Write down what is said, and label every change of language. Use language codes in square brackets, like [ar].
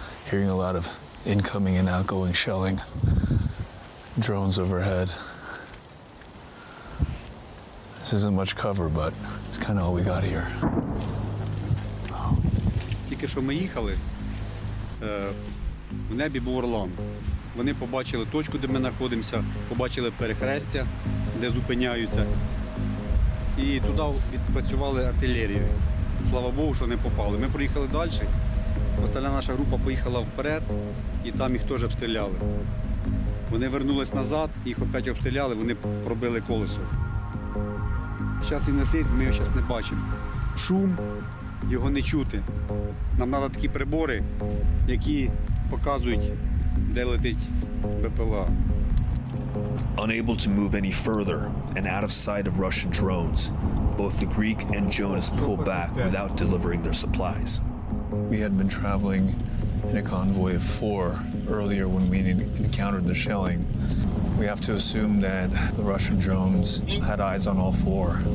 [en] Hearing a lot of incoming and outgoing shelling, drones overhead. This isn't much cover, but it's kind of all we got here. [uk] Тільки що ми їхали, в небі був орлан. Вони побачили точку, де ми знаходимося, побачили перехрестя, де зупиняються. І туди відпрацювали артилерію. Слава Богу, що не попали. Ми проїхали далі. Остальна наша група поїхала вперед, і там їх теж обстріляли. Вони вернулись назад, їх опять обстріляли, вони пробили колесо. Зараз він висить, ми його зараз не бачимо. Шум, його не чути. Нам треба такі прибори, які показують, де летить БПЛА. [en] Unable to move any further and out of sight of Russian drones, both the Greek and Jonas pull back without delivering their supplies. We had been traveling in a convoy of four earlier when we encountered the shelling. We have to assume that the Russian drones had eyes on all four.